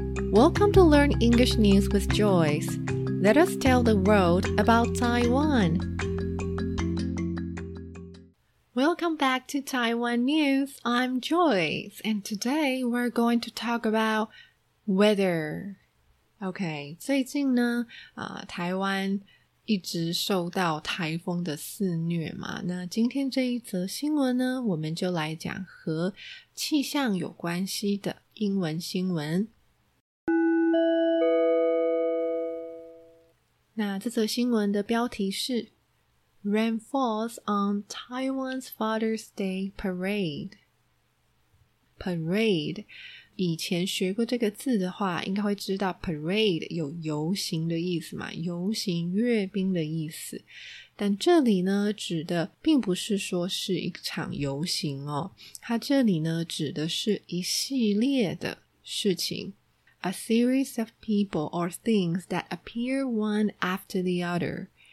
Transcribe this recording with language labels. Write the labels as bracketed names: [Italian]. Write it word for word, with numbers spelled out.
[English] Welcome to Learn English News with Joyce. Let us tell the world about Taiwan. Welcome back to Taiwan News. I'm Joyce, and today we're going to talk about weather. [Chinese] Okay, 最近呢，啊，台湾一直受到台风的肆虐嘛，那今天这一则新闻呢，我们就来讲和气象有关系的英文新闻。那这则新闻的标题是 [English] Rain Falls on Taiwan's Father's Day Parade. [Chinese] Parade, 以前学过这个字的话，应该会知道 parade 有游行的意思嘛，游行阅兵的意思。但这里呢，指的并不是说是一场游行哦，它这里呢，指的是一系列的事情。 [English] A series of people or things that appear one after the other.